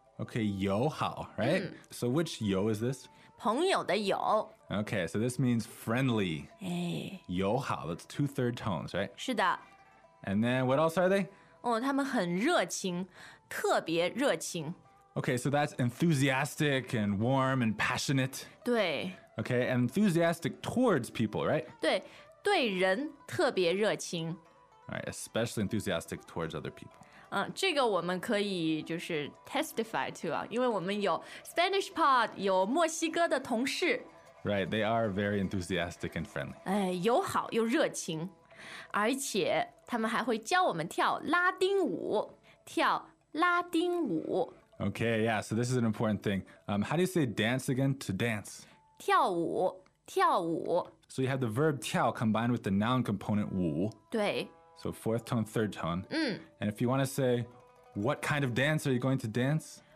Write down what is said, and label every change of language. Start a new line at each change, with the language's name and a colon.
English: Okay, 友好, right? So which 友 is this?
Chinese: 朋友的友。
English: Okay, so this means friendly. 友好, that's two third tones, right?
Chinese: 是的。
English: And then what else are they?
Chinese: 他们很热情，特别热情。
English: Okay, so that's enthusiastic and warm and passionate.
Chinese: 对。
English: Okay, and enthusiastic towards people, right?
Chinese: 对,对人特别热情。
English: All right, especially enthusiastic towards other people.
Chinese: 这个我们可以就是
English: testify to,
Chinese: 因为我们有 Spanish pod, 有墨西哥的同事。
English: Right, they are very enthusiastic and friendly.
Chinese: 友好又热情。而且他们还会教我们跳拉丁舞。跳拉丁舞。
English: Okay, yeah, so this is an important thing. How do you say dance again? To dance.
Chinese: 跳舞,跳舞。
English: So you have the verb 跳 combined with the noun component 舞。
Chinese: 对。
English: So fourth tone, third tone. And if you want to say, what kind of dance are you going to dance?